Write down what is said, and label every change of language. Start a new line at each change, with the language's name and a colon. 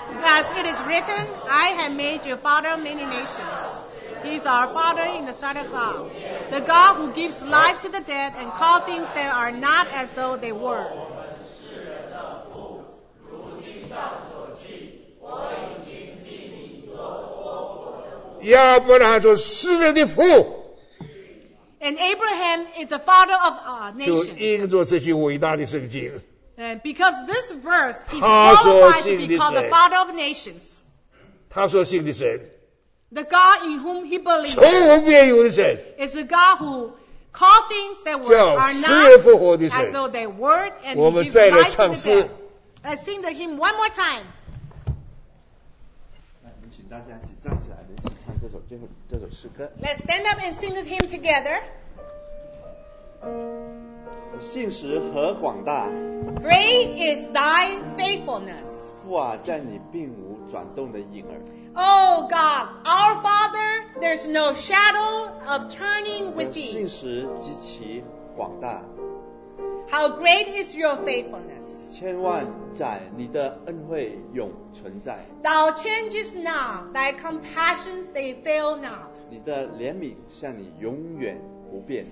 English: As it is written, I have made your father many nations. He is our Father in the sight of God, the God who gives life to the dead and calls things that are not as though they were.
Chinese: 我们世人的父，如经上所记，我已经立你做了多国的父，亚伯拉罕是世人的父。
English: And Abraham is the father of our nation.
Chinese: 就因着这句伟大的圣经。
English: And because this verse, he is qualified to be called the father of nations.
Chinese: 他所信的神。
English: The God in whom he believed
Chinese: 从无变有的神
English: is a God who called things that were are not as though they were and he gives life to the dead. Let's sing the hymn one more time.
Chinese: 来，我们请大家一起站起来，一起唱这首最后这首诗歌。
English: Let's stand up and sing this hymn together.
Chinese: 信实何广大
English: Great is thy faithfulness.
Chinese: 父啊，在你并无转动的影儿。
English: Oh God, our Father, there's no shadow of turning with thee.
Chinese: 信实极其广大。
English: How great is your faithfulness?
Chinese: 千万载，你的恩惠永存在。
English: Thou changest not, thy compassions they fail not.
Chinese: 你的怜悯向你永远不变。